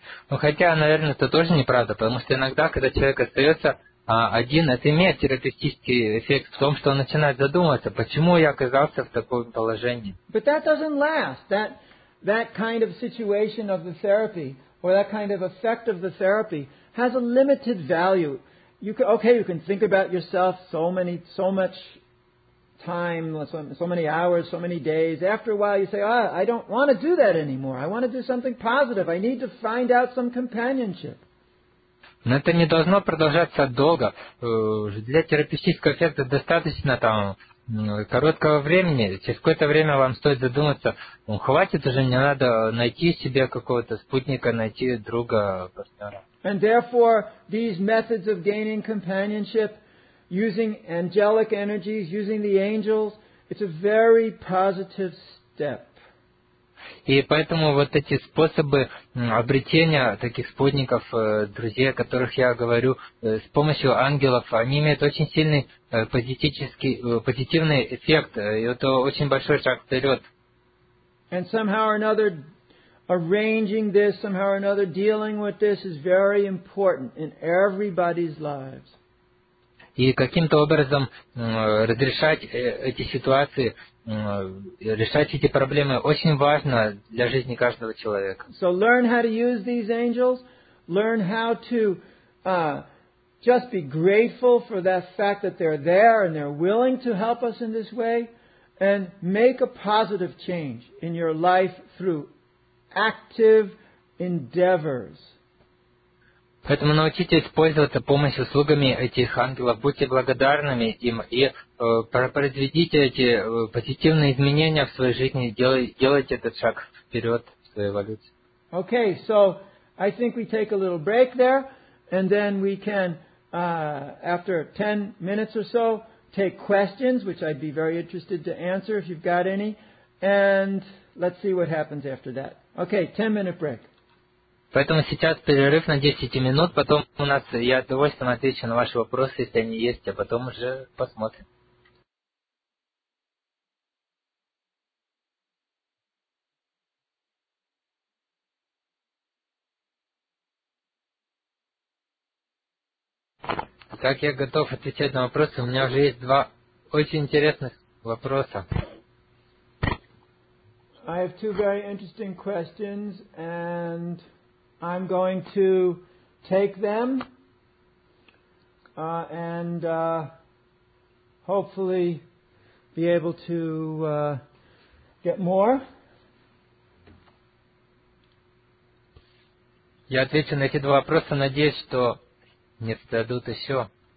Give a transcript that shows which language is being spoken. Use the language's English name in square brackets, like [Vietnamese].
[Russian] Ну, хотя, наверное, это тоже неправда, потому что иногда, когда человек остается один, это имеет терапевтический эффект в том, что он начинает задумываться, почему я оказался в таком положении. [English] But that doesn't last. That kind of situation of the therapy, or that kind of effect of the therapy, has a limited value. You can think about yourself so much time, so many hours, so many days. After a while, you say, I don't want to do that anymore. I want to do something positive. I need to find out some companionship. [Russian] Но это не должно продолжаться долго. Для терапевтического эффекта достаточно там короткого времени. Через какое-то время вам стоит задуматься, хватит уже, не надо найти себе какого-то спутника, найти друга, партнера. [English] And therefore, these methods of gaining companionship, using angelic energies, using the angels, it's a very positive step. [Russian] И поэтому вот эти способы обретения таких спутников, друзей, о которых я говорю, с помощью ангелов, они имеют очень сильный позитивный эффект. И это очень большой шаг вперед. [English] And somehow or another, arranging this, somehow or another, dealing with this is very important in everybody's lives. [Russian] И каким-то образом разрешать эти ситуации, решать эти проблемы очень важно для жизни каждого человека. [English] So learn how to use these angels. Learn how to just be grateful for that fact that they're there and they're willing to help us in this way. And make a positive change in your life through active endeavors. [Russian] Поэтому научитесь пользоваться помощью услугами этих ангелов, будьте благодарными им и произведите эти позитивные изменения в своей жизни, делайте этот шаг вперед в своей эволюции. [English] Okay, so I think we take a little break there, and then we can, after 10 minutes or so, take questions, which I'd be very interested to answer if you've got any, and let's see what happens after that. Okay, 10-minute break. [Russian] Поэтому сейчас перерыв на 10 минут, потом у нас, я с удовольствием отвечу на ваши вопросы, если они есть, а потом уже посмотрим. Так, я готов отвечать на вопросы. У меня уже есть два очень интересных вопроса. [English] I have two very interesting questions, and I'm going to take them, and hopefully be able to get more. [Russian] Я отвечу на эти два вопроса, надеюсь, что мне зададут еще.